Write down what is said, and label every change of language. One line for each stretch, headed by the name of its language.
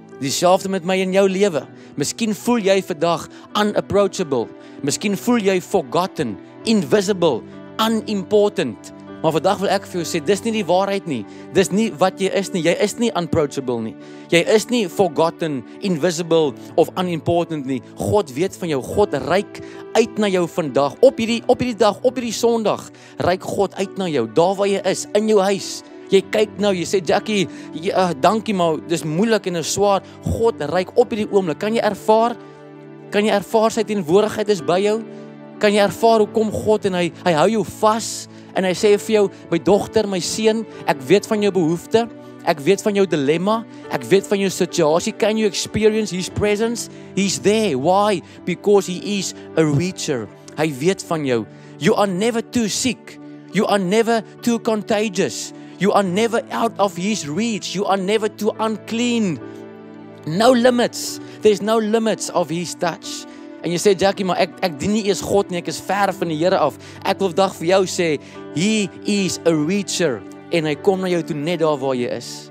Afrikaans: Dieselfde met my in jou lewe. Miskien voel jy vandag unapproachable. Miskien voel jy forgotten, invisible, unimportant. Maar vandag wil ek vir jou sê, dis nie die waarheid nie. Dis nie wat jy is nie. Jy is nie unapproachable nie. Jy is nie forgotten, invisible of unimportant nie. God weet van jou. God reik uit na jou vandag. Op hierdie dag, op hierdie Sondag, reik God uit na jou. Daar waar jy is, in jou huis, jy kyk nou, jy sê, Jackie, dankie, maar dis moeilik en is swaar, God reik op hierdie oomblik, kan jy ervaar sy teenwoordigheid is by jou, kan jy ervaar hoe kom God en hy hou jou vas, en hy sê vir jou, my dogter, my seun, ek weet van jou behoefte, ek weet van jou dilemma, ek weet van jou situasie,
English: can you experience his presence? He's there, why? Because he is a reacher,
Afrikaans: hy weet van jou,
English: you are never too sick, you are never too contagious, you are never out of his reach, you are never too unclean, no limits, there's no limits of his touch.
Afrikaans: En jy sê, Jackie, maar ek dien nie eers God nie, ek is ver van die Here af, ek wil vandag vir jou sê,
English: he is a reacher,
Afrikaans: en hy kom na jou toe net daar waar jy is.